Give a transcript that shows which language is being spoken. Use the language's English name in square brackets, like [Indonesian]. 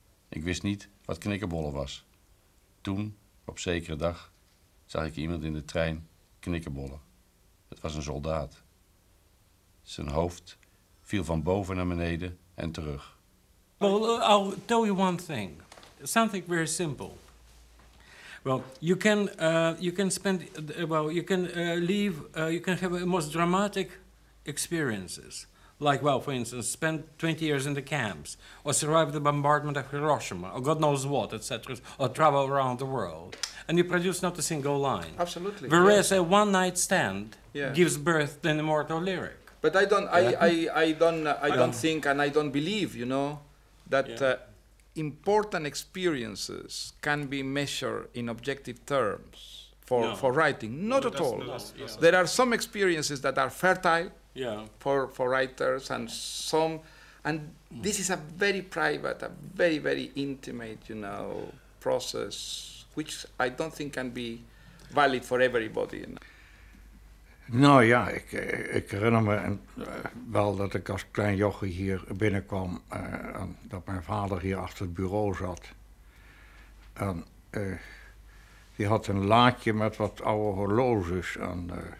[Dutch] Ik wist niet wat knikkerbollen was. Toen, op zekere dag, zag ik iemand in de trein knikkerbollen. Het was een soldaat. Zijn hoofd viel van boven naar beneden en terug. [English] Well, I'll tell you one thing. Something very simple. Well, you can have the most dramatic experiences. Like, well, for instance, spend 20 years in the camps, or survive the bombardment of Hiroshima, or God knows what, etc., or travel around the world, and you produce not a single line. Absolutely. Whereas a one-night stand gives birth to an immortal lyric. But I don't, I don't think, and I don't believe, you know, that important experiences can be measured in objective terms for writing. Not at all. There are some experiences that are fertile. Yeah. For writers and some, and this is a very private, a very, very intimate, you know, process, which I don't think can be valid for everybody. You know? [Dutch] Nou ja, ik herinner me wel dat ik als klein jochie hier binnenkwam en dat mijn vader hier achter het bureau zat. En die had een laadje met wat oude horloges en...